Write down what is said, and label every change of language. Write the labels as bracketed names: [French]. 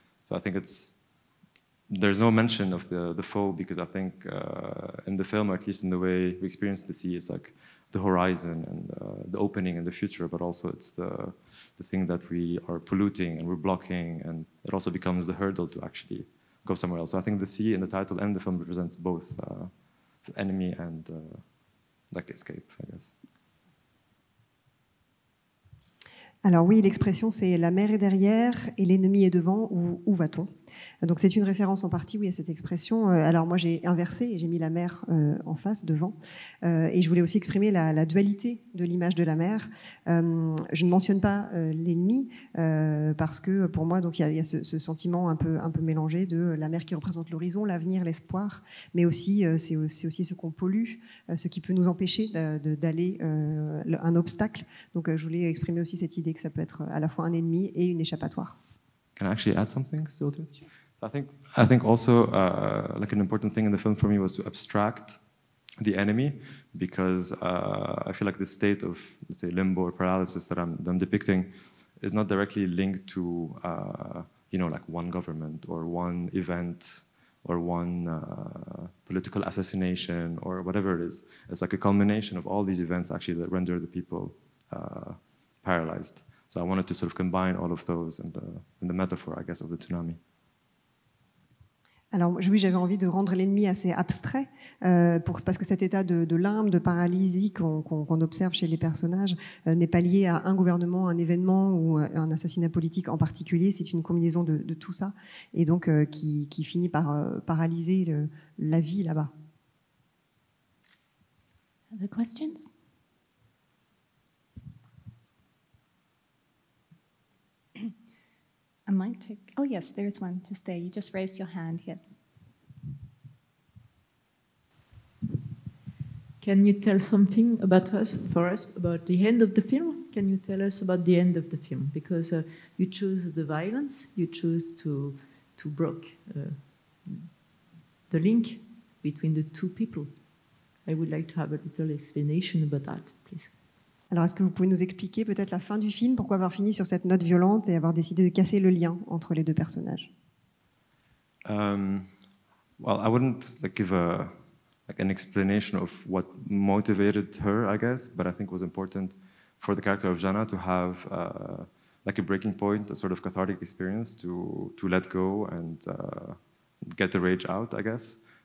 [English] So I think there's no mention of the foe, because I think in the film, or at least in the way we experience the sea, it's like the horizon and the opening and the future, but also it's the thing that we are polluting and we're blocking, and it also becomes the hurdle to actually go somewhere else. So I think the sea in the title and the film represents both the enemy and like escape, I guess. [French] Alors oui, l'expression c'est la mer est derrière et l'ennemi est devant, où va-t-on? Donc c'est une référence en partie, oui, à cette expression. Alors moi j'ai inversé et j'ai mis la mer en face, devant, et je voulais aussi exprimer la dualité de l'image de la mer. Je ne mentionne pas l'ennemi parce que pour moi donc il y a ce sentiment un peu mélangé de la mer qui représente l'horizon, l'avenir, l'espoir, mais aussi c'est aussi ce qu'on pollue, ce qui peut nous empêcher d'aller un obstacle. Donc je voulais exprimer aussi cette idée que ça peut être à la fois un ennemi et une échappatoire. [English] Can I actually add something still to it? I think also like an important thing in the film for me was to abstract the enemy, because I feel like the state of, let's say, limbo or paralysis that I'm depicting is not directly linked to you know, like one government or one event or one political assassination or whatever it is. It's like a culmination of all these events actually that render the people paralyzed. So I wanted to sort of combine all of those in the metaphor, I guess, of the tsunami. [French] Alors oui, j'avais envie de rendre l'ennemi assez abstrait, parce que cet état de limbe, de paralysie qu'on observe chez les personnages n'est pas lié à un gouvernement, un événement ou un assassinat politique en particulier. C'est une combinaison de tout ça, et donc qui finit par paralyser la vie là-bas. [English] Other questions? A mic take. Oh yes, there's one just there. You just raised your hand, yes. Can you tell something about us, for us, about the end of the film? Can you tell us about the end of the film? Because you choose the violence, you choose to break the link between the two people. I would like to have a little explanation about that, please. [French] Alors, est-ce que vous pouvez nous expliquer peut-être la fin du film, pourquoi avoir fini sur cette note violente et avoir décidé de casser le lien entre les deux personnages? [English] Well, I wouldn't give a... like an explanation of what motivated her, I guess, but I think it was important for the character of Jana to have like a breaking point, a sort of cathartic experience to let go and get the rage out, I guess.